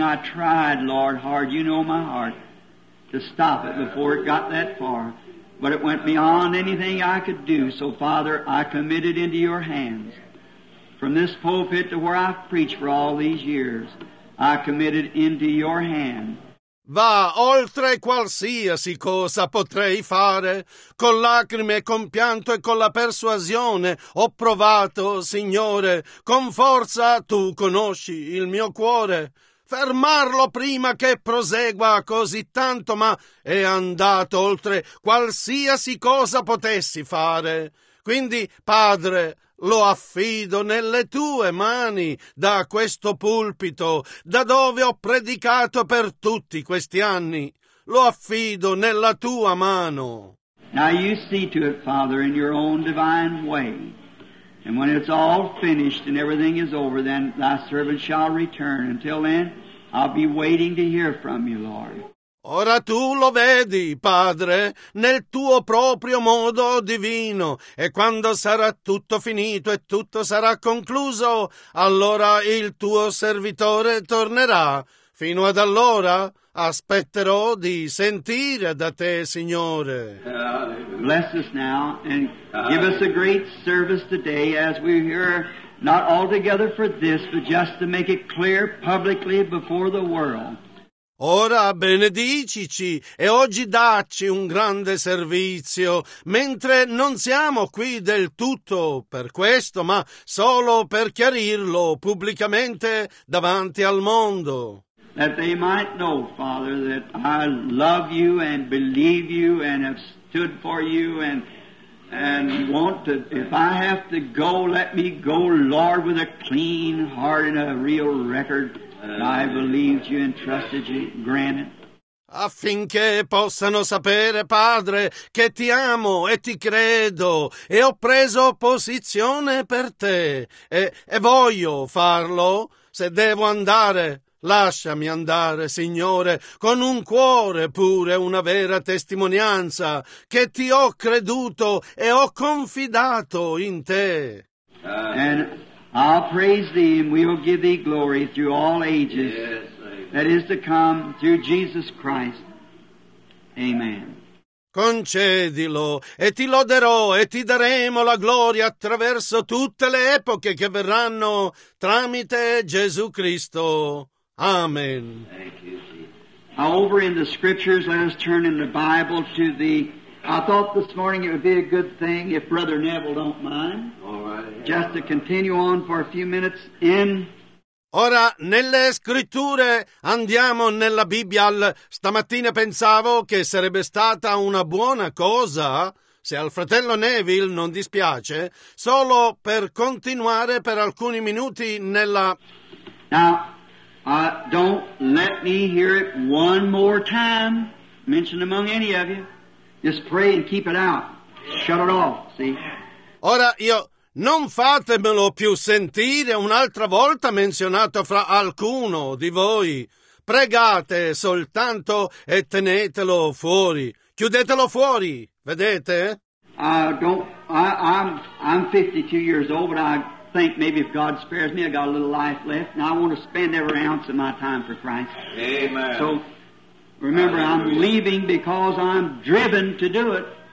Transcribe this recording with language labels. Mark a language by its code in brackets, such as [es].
[en] I tried, Lord, hard, you know my heart, to stop it before it got that far. But it went beyond anything I could do, so, Father, I commit it into your hands. From this pulpit to where I've preached for all these years, I committed into your hand. [it] Va oltre qualsiasi cosa potrei fare. Con lacrime, con pianto e con la persuasione ho provato, Signore, con forza tu conosci il mio cuore. Fermarlo prima che prosegua così tanto, ma è andato oltre qualsiasi cosa potessi fare. Quindi, Padre, lo affido nelle tue mani, da questo pulpito, da dove ho predicato per tutti questi anni. Lo affido nella tua mano. [en] Now you see to it, Father, in your own divine way. And when it's all finished and everything is over, then thy servant shall return. Until then, I'll be waiting to hear from you, Lord. [it] Ora tu lo vedi, Padre, nel tuo proprio modo divino, e quando sarà tutto finito e tutto sarà concluso, allora il tuo servitore tornerà. Fino ad allora aspetterò di sentire da te, Signore. [en] Bless us now and give us a great service today as we hear, not altogether for this, but just to make it clear publicly before the world. [it] Ora benedicici e oggi dacci un grande servizio, mentre non siamo qui del tutto per questo, ma solo per chiarirlo pubblicamente davanti al mondo. [en] That they might know, Father, that I love you and believe you and have stood for you and want to, if I have to go, let me go, Lord, with a clean heart and a real record. I believed you and trusted you, granted. [it] Affinché possano sapere, Padre, che ti amo e ti credo, e ho preso posizione per te, e voglio farlo. Se devo andare, lasciami andare, Signore, con un cuore pure, una vera testimonianza, che ti ho creduto e ho confidato in te. [en] I'll praise thee and we will give thee glory through all ages, yes, that is to come through Jesus Christ. Amen. [it] Concedilo e ti loderò e ti daremo la gloria attraverso tutte le epoche che verranno tramite Gesù Cristo. Amen. [en] Thank you. Over in the scriptures, let us turn in the Bible to the... I thought this morning it would be a good thing, if Brother Neville don't mind, all right, just to continue on for a few minutes in [it] Ora, nelle scritture, andiamo nella Bibbia. Stamattina pensavo che sarebbe stata una buona cosa, se al fratello Neville non dispiace, solo per continuare per alcuni minuti nella... [en] Now, don't let me hear it one more time mentioned among any of you. Just pray and keep it out. Shut it off, see? [it] Ora, io... Non fatemelo più sentire un'altra volta menzionato fra alcuno di voi. Pregate soltanto e tenetelo fuori. Chiudetelo fuori, vedete? [en] I'm 52 years old, but I think maybe if God spares me, I got a little life left, and I want to spend every ounce of my time for Christ. Amen. So remember, I'm leaving because I'm driven to do it.